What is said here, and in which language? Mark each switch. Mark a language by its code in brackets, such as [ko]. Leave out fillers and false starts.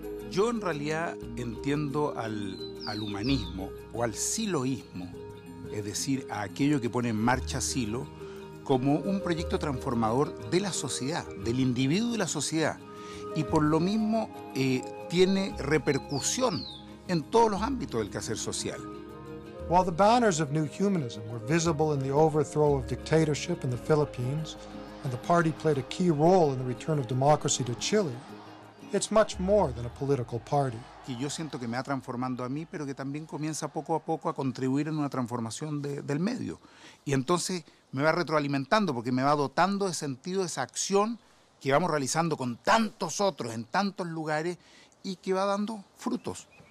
[es] Yo, en realidad, entiendo al humanismo o al siloísmo, es decir, a aquello que pone en marcha Cielo, como un proyecto transformador de la sociedad, del individuo y la sociedad, y por lo mismo tiene repercusión en todos los ámbitos del quehacer social. [en] While the banners of new humanism were visible in the overthrow of dictatorship in the Philippines, and the party played a key role in the return of democracy to Chile, it's much more than a political party. [es] Y yo siento que me va transformando a mí, pero que también comienza poco a poco a contribuir en una transformación del medio. Y entonces me va retroalimentando, porque me va dotando de sentido esa acción que vamos realizando con tantos otros en tantos lugares y que va dando frutos.